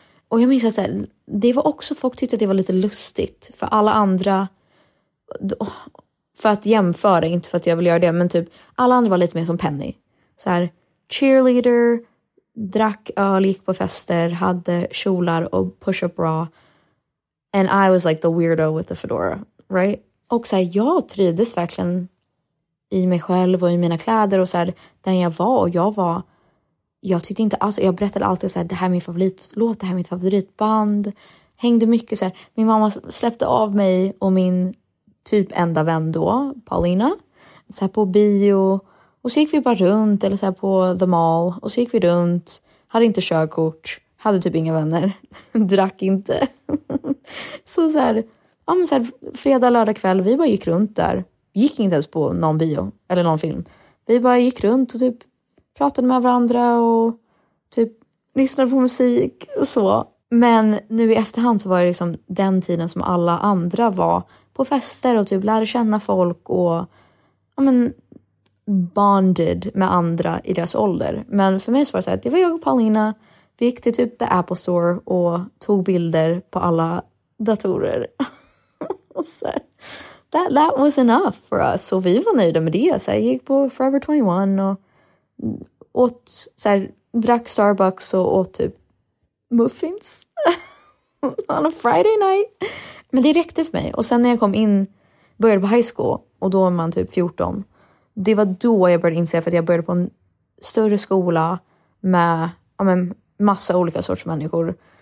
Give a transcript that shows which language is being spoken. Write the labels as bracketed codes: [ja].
[sv] Och jag minns att så här, det var också, folk tyckte att det var lite lustigt. För alla andra, för att jämföra, inte för att jag vill göra det, men typ alla andra var lite mer som Penny. Så här, cheerleader, drack öl, gick på fester, hade kjolar och push-up bra. [en] And I was like the weirdo with the fedora, right? [sv] Och så här, jag trivdes verkligen i mig själv och i mina kläder och så här, den jag var. Och jag tyckte inte alls, jag berättade alltid så här, det här är min favoritlåt, det här är mitt favoritband. Hängde mycket så här, min mamma släppte av mig och min typ enda vän då, Paulina, så här på bio. Och så gick vi bara runt, eller så här på The Mall. Och så gick vi runt, hade inte körkort. hade typ inga vänner. Drack inte. Så här, fredag, lördag kväll, vi bara gick runt där. Gick inte ens på någon bio eller någon film. Vi bara gick runt och typ pratade med varandra och typ lyssnade på musik och så. Men nu i efterhand så var det liksom den tiden som alla andra var på fester och typ lärde känna folk och ja men bonded med andra i deras ålder. Men för mig så var det så här, det var jag och Paulina. Vi gick till typ The Apple Store och tog bilder på alla datorer. Och så här, [en] that was enough for us. [sv] Så vi var nöjda med det. Så jag gick på Forever 21 och åt, så här, drack Starbucks och åt typ muffins. [en] On a Friday night. [sv] Men det räckte för mig. Och sen när jag kom in, började på high school. Och då är man typ 14. Det var då jag började inse, för att jag började på en större skola med, ja men, massa olika sorts människor.